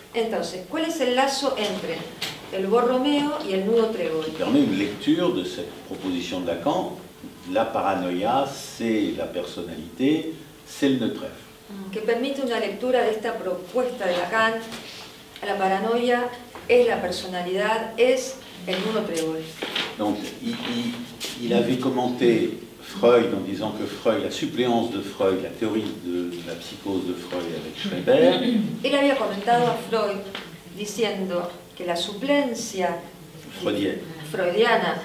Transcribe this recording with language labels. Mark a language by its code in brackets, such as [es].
[es] Entonces, ¿cuál es el lazo entre el borromeo y el nudo trébol? [fr] Qui permet une lecture de cette proposition de Lacan, la paranoïa, c'est la personnalité, c'est le nœud trèfle. [es] Que permite una lectura de esta propuesta de Lacan, la paranoia es la personnalidad, es el nudo trébol. [fr] Donc, il avait commenté Freud en disant que Freud, la suppléance de Freud, la théorie de la psychose de Freud avec Schreber. Il avait commenté à Freud [es] diciendo que la suplencia [fr] freudienne